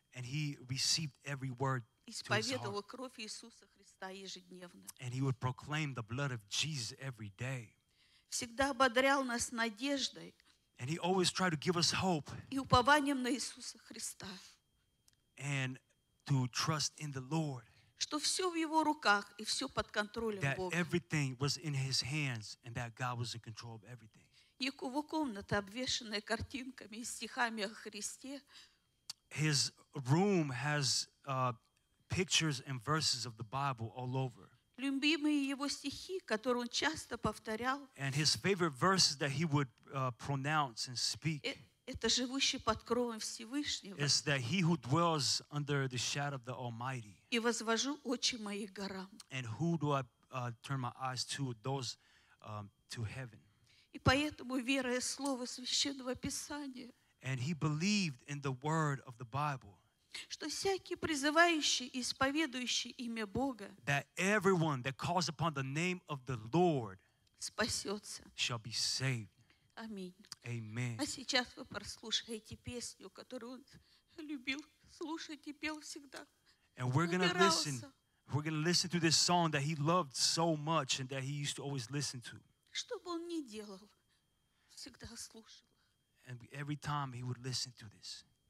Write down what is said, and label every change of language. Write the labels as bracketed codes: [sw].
[en] And he received every word to his heart. [ru] Кровь Иисуса Христа ежедневно. [en] And he would proclaim the blood of Jesus every day. [ru] Всегда ободрял нас надеждой. [en] And he always tried to give us hope. [ru] И упованием на Иисуса Христа. [en] And to trust in the Lord. [ru] Что все в его руках и все под контролем [en] that [ru] Бога. [en] That everything was in his hands and that God was in control of everything. [ru] Его комната, обвешанная картинками и стихами о Христе. [en] His room has pictures and verses of the Bible all over. [ru] Любимые его стихи, которые он часто повторял. [en] And his favorite verses that he would pronounce and speak. [ru] Это живущий под кровом Всевышнего. [en] Is that he who dwells under the shadow of the Almighty. [ru] И возвожу очи мои горам. [en] And who do I turn my eyes to? Those to heaven. [ru] И поэтому веруя слово Священного Писания. [en] And he believed in the word of the Bible. [ru] Что всякий призывающий и исповедующий имя Бога. [en] That everyone that calls upon the name of the Lord. [ru] спасется. [en] Shall be saved. [ru] Аминь. [en] Amen. [ru] А сейчас вы прослушаете песню, которую он любил слушать и пел всегда. [en] And we're gonna listen. We're gonna listen to this song that he loved so much and that he used to always listen to. [ru] Что бы он ни делал, всегда слушал. [en] And every time he would listen to this.